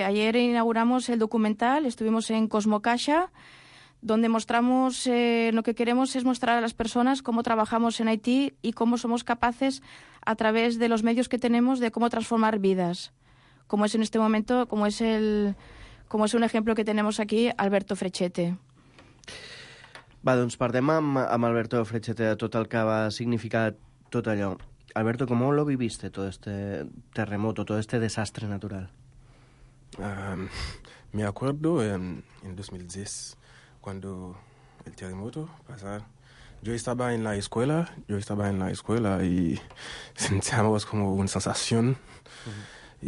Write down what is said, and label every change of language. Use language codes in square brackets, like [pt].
[es] Ayer inauguramos el documental, estuvimos en Cosmocaixa, donde mostramos, lo que queremos es mostrar a las personas cómo trabajamos en Haití y cómo somos capaces, a través de los medios que tenemos, de cómo transformar vidas. Como es en este momento, como es un ejemplo que tenemos aquí, Alberto Frechete. [ca] Va, doncs parlem amb Alberto Frechete de tot el que va significar tot allò. [es] Alberto, ¿cómo lo viviste todo este terremoto, todo este desastre natural? Me acuerdo en 2010, cuando el terremoto pasó. Yo estaba en la escuela y sentíamos como una sensación. Uh-huh.